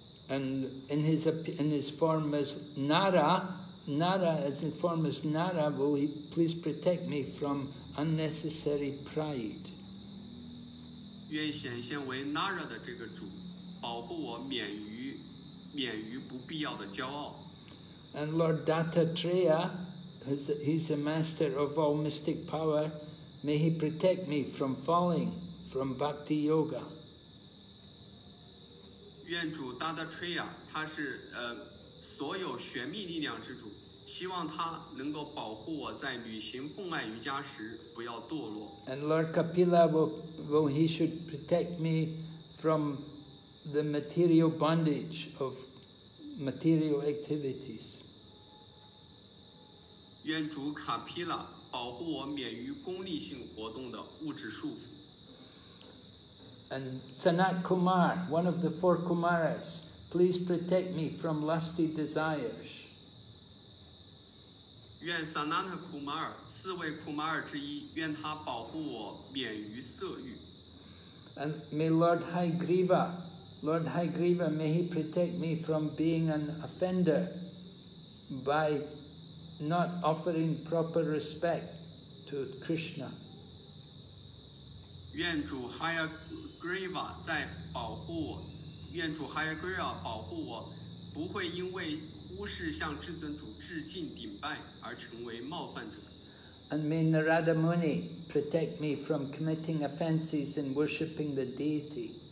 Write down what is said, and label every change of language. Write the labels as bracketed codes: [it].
[en] And in his form as Nara, as in form as Nara, will he please protect me from unnecessary pride? [zh] 愿显现为 Nara 的这个主，保护我免于不必要的骄傲。 [en] And Lord Dattatreya, he's a master of all mystic power. May he protect me from falling from Bhakti Yoga. [zh] 愿主 Dattatreya, 他是所有玄秘力量之主，希望他能够保护我在旅行奉爱瑜伽时不要堕落。 [en] And Lord Kapila will he should protect me from the material bondage of material activities. [zh] 愿主卡皮拉保护我免于功利性活动的物质束缚。 [en] And Sanat Kumar, one of the four Kumaras, please protect me from lusty desires. [zh] 愿 Sanat Kumar, 四位 Kumar 之一，愿他保护我免于色欲。 [en] And may Lord Hai Griva, may he protect me from being an offender by not offering proper respect to Krishna. [zh] 愿主 Hai Griva 在保护我，愿主 Hai Griva 保护我，不会因为。忽视向至尊主致敬顶拜而成为冒犯者。 [en] And may Narada Muni protect me from committing offenses in worshipping the deity.